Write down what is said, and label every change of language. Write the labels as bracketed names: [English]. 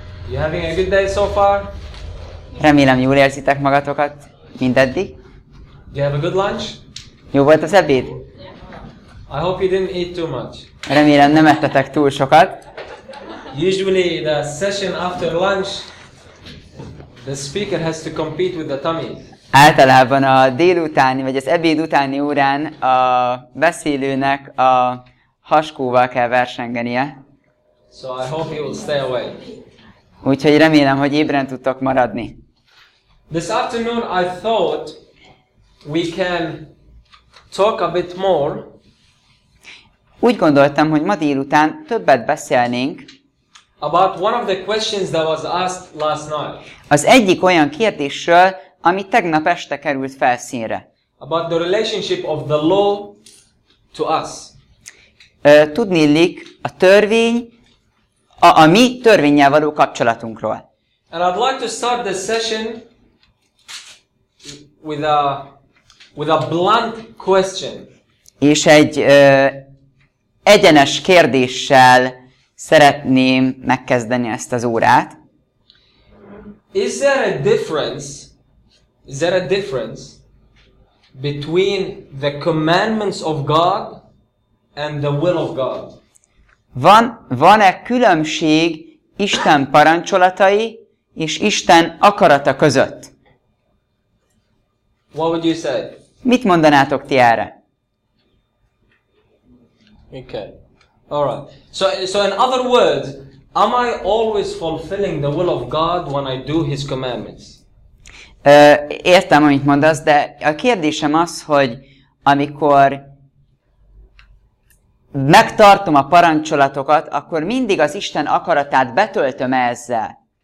[English] You having a good day so far? [Hungarian] Remélem jól érzitek magatokat mindeddig. [English] Do you have a good lunch? [Hungarian] Jó volt az ebéd? [English] I hope you didn't eat too much. [Hungarian] Remélem nem ettetek túl sokat. [English] Usually the session after lunch, the speaker has to compete with the tummy. [Hungarian] Általában a délutáni, vagy az ebéd utáni órán a beszélőnek a haskóval kell versengenie. [English] So I hope you will stay away. [Hungarian] Úgyhogy remélem, hogy ébren tudtok maradni. [English] This afternoon I thought we can talk a bit more. [Hungarian] Úgy gondoltam, hogy ma délután többet beszélnénk. [English] About one of the questions that was asked last night. [Hungarian] Az egyik olyan kérdésről, ami tegnap este került felszínre. [English] About the relationship of the law to us. [Hungarian] Tudnillik a törvény a mi törvénnyel való kapcsolatunkról. [English] And I'd like to start the session with a blunt question. [Hungarian] És egy egyenes kérdéssel szeretném megkezdeni ezt az órát. [English] Is there a difference? Is there a difference between the commandments of God and the will of God? [Hungarian] Van-e különbség Isten parancsolatai és Isten akarata között? [English] What would you say? [Hungarian] Mit mondanátok ti erre? [English] Okay. All right. So in other words, am I always fulfilling the will of God when I do His commandments? [Hungarian] Értem, amit mondasz, de a kérdésem az, hogy amikor megtartom a parancsolatokat, akkor mindig az Isten akaratát betöltöm ezzel.